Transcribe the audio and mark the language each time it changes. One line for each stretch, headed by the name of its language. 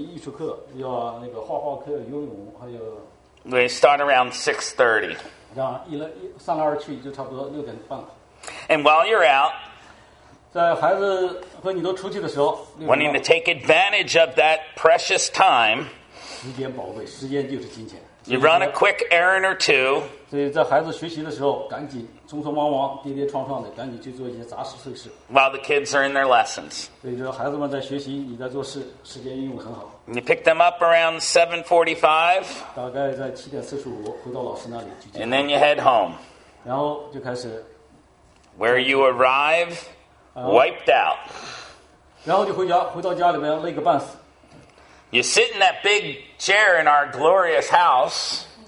Chinese: 然后把他们赶出,匆匆忙忙的去各种艺术课,要那个画画课,游泳,还有...
English: We start around 6:30.
Chinese: 然后上来去就差不多6点半了。
English: And while you're out,
Chinese: 在孩子和你都出去的时候,
English: wanting to take advantage of that precious time,
Chinese: 时间宝贵, 时间就是金钱,
English: you run a quick errand or two.
Chinese: 所以在孩子学习的时候, 赶紧, 匆匆忙忙, 跌跌撞撞的, 赶紧去做一些杂事碎事,
English: while the kids are in their lessons.
Chinese: 所以说孩子们在学习, 你在做事, 时间运用很好。
English: You pick them up around 7:45.
Chinese: 大概在7点45, 回到老师那里,
English: and then you head home.
Chinese: 然后就开始,
English: where you arrive, wiped out.
Chinese: 然后就回家，回到家里面累个半死。
English: You sit in that big chair in our glorious house.